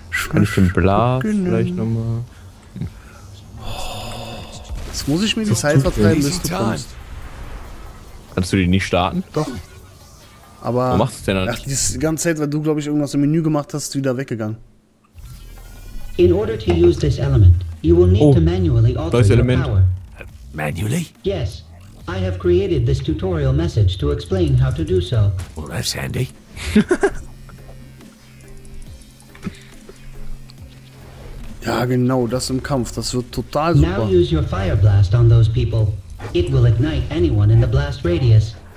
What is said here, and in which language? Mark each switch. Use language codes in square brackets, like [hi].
[de] Kann ich den Blas vielleicht nochmal? Jetzt muss ich mir die Zeit vertreiben, bis du kommst. Kannst du die nicht starten? Doch. Aber. Wo machst du es denn dann? Ach, die ganze Zeit, weil du, glaube ich, irgendwas im Menü gemacht hast, wieder weggegangen. [en] In order to use this element, you will need to manually alter your power. Manually? Yes. I have created this tutorial message to explain how to do so. Well, that's handy. [de] Ja, genau, das im Kampf, das wird total super. [en] Now use your fire blast on those people. It will ignite anyone in the blast radius.